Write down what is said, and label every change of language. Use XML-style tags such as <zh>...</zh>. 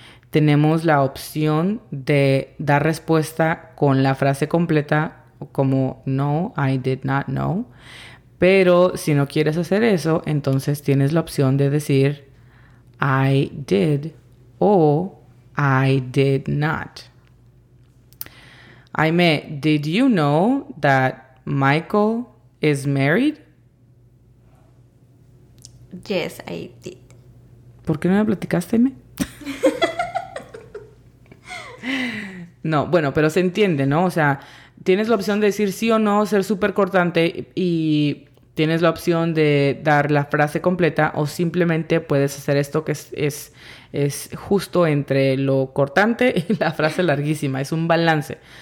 <es>Tenemos la opción de dar respuesta con la frase completa, como no,</es> <en>I did not know.</en> <es>Pero si no quieres hacer eso, entonces tienes la opción de decir</es> <en>I did o I did not. Aime, did you know that Michael is married? Yes, I did.</en> <es>¿Por qué no me platicaste, Aime? No, bueno, pero se entiende, ¿no? O sea, tienes la opción de decir sí o no, ser súper cortante, y tienes la opción de dar la frase completa, o simplemente puedes hacer esto que es justo entre lo cortante y la frase larguísima. Es un balance.</es>